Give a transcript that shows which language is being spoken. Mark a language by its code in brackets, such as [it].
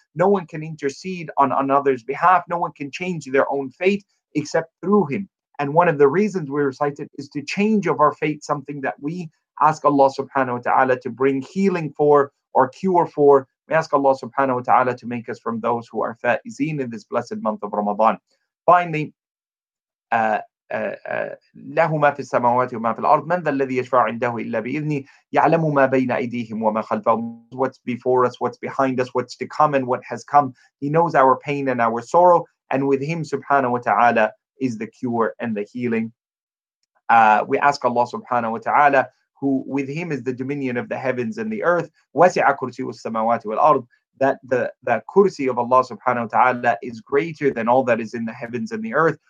[en] No one can intercede on another's behalf. No one can change their own fate except through him. And one of the reasons we recite it is to change of our fate something that we ask Allah subhanahu wa ta'ala to bring healing for or cure for. We ask Allah subhanahu wa ta'ala to make us from those who are faizeen in this blessed month of Ramadan. Finally, [ar] له ما في السماوات وما في الأرض من ذا الذي يشفع عنده إلا بإذنه يعلم ما بين أيديهم وما خلفهم. [en] What's before us, what's behind us, what's to come and what has come. He knows our pain and our sorrow, and with him subhanahu wa ta'ala is the cure and the healing. We ask Allah subhanahu wa ta'ala, who with him is the dominion of the heavens and the earth, [ar] وسع كرسي السماوات والأرض, [en] that the kursi of Allah subhanahu wa ta'ala is greater than all that is in the heavens and the earth.